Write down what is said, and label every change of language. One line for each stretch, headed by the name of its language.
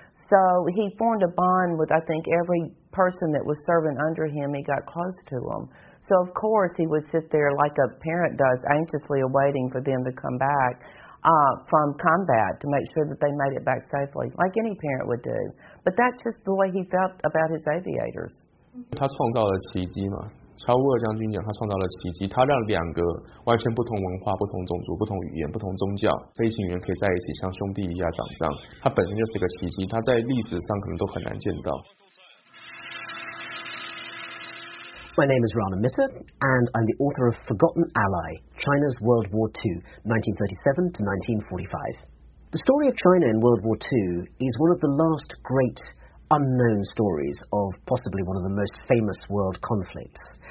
English: So he formed a bond with, I think, every person that was serving under him. He got close to them. So, of course, he would sit there like a parent does, anxiously awaiting for them to come back. From combat to make sure that they made it back safely, like any parent would do. But that's just the way he felt about his aviators.
Chinese: 他创造了奇迹嘛，乔乌尔将军讲他创造了奇迹，他让两个完全不同文化、不同种族、不同语言、不同宗教飞行员可以在一起像兄弟一样打仗，他本身就是个奇迹，他在历史上可能都很难见到。
English: My name is Rana Mitter, and I'm the author of Forgotten Ally, China's World War II, 1937 to 1945. The story of China in World War II is one of the last great unknown stories of possibly one of the most famous world conflicts.